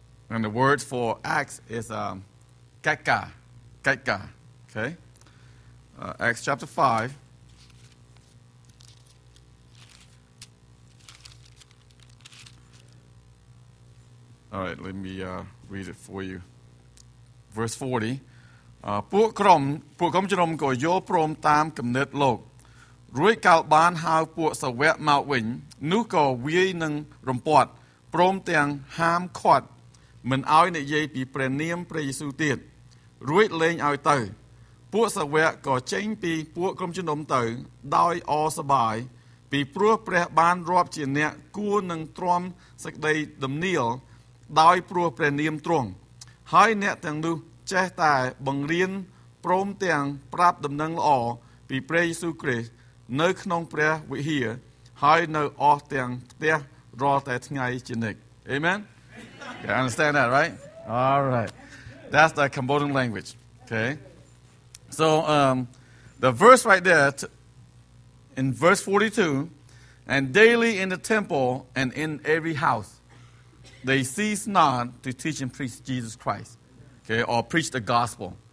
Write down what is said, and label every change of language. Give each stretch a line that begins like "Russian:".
English: And the word for Acts is Kaka, okay? Acts chapter 5. All right, let me read it for you. Verse 40.
Khmer: ពួកក្រុមជ្រុំក៏យល់ព្រមតាមគំនិតលោករួចកាលបានហៅពួកសាវកមកវិញនោះក៏វាយនឹងរំពាត់ព្រមទាំងហាមឃាត់មិនឲ្យនិយាយពីព្រះនាមព្រះយេស៊ូវទៀតរួចលែងឲ្យទៅពួកសាវកក៏ចេញពីពួកក្រុមជ្រុំទៅដោយអសប្បាយពីព្រោះព្រះបានរាប់ជាអ្នកគួរនឹងទ្រាំសេចក្តីដំណៀល ដោយព្រោះព្រះនាមទ្រង់ហើយអ្នកទាំងនោះចេះតែបង្រៀនព្រមទាំងប្រាប់ដំណឹងល្អពីព្រះយេស៊ូវគ្រីស្ទនៅក្នុងព្រះវិហារហើយនៅអស់ទាំងផ្ទះរាល់តែថ្ងៃជានិច្ចអេមែន
English: You understand that, right?
Khmer: All right.
English: That's the Cambodian language. Okay. So the verse right there in verse 42, and daily in the temple and in every house they cease not to teach and preach Jesus Christ, okay, or preach the gospel.